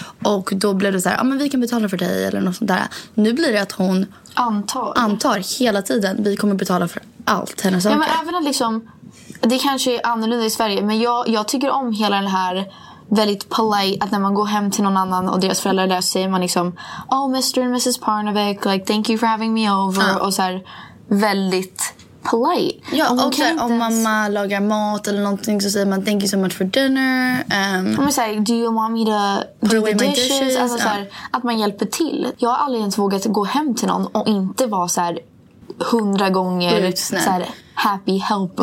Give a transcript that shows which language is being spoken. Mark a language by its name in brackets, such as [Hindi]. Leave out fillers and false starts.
[Swedish] Och då blev det så här, men vi kan betala för dig eller något sånt där. Nu blir det att hon antar hela tiden, vi kommer betala för allt hennes saker. Ja, men även att liksom, det kanske är annorlunda i Sverige, men jag tycker om hela den här väldigt polite, att när man går hem till någon annan och deras föräldrar där, säger man liksom, [English] oh, Mr. and Mrs. Parnevik, like, thank you for having me over. [Swedish] Och så här, väldigt polite. Ja, och så här, om mamma lagar mat eller någonting så säger man, [English] thank you so much for dinner. [Swedish] Om jag säger, [English] do you want me to do the dishes? [Swedish] Alltså, så här, att man hjälper till. Jag har aldrig ens vågat gå hem till någon och inte vara så här 100 gånger så här, [English] happy helper.